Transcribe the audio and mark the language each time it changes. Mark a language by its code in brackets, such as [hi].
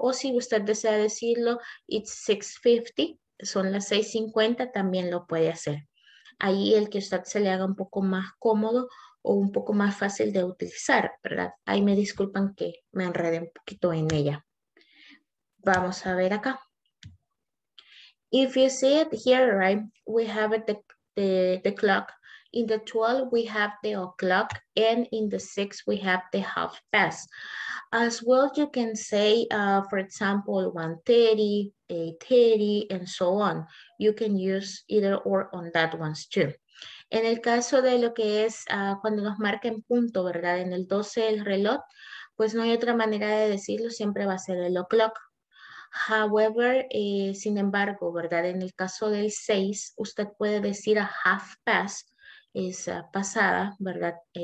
[es] O si usted desea decirlo, [en] it's 6:50, [es] son las 6:50, también lo puede hacer. Ahí el que usted se le haga un poco más cómodo o un poco más fácil de utilizar, ¿verdad? Ahí me disculpan que me enredé un poquito en ella. Vamos a ver acá. [en] If you see it here, right, we have the clock. In the 12, we have the o'clock. And in the 6, we have the half past. As well, you can say, for example, 1:30, 8:30, and so on. You can use either or on that ones too. [es] En el caso de lo que es cuando nos marca en punto, ¿verdad? En el 12, el reloj, pues no hay otra manera de decirlo. Siempre va a ser el o'clock. [en] However, [es] sin embargo, ¿verdad? En el caso del 6, usted puede decir [en] a half past, [es] es pasada, ¿verdad?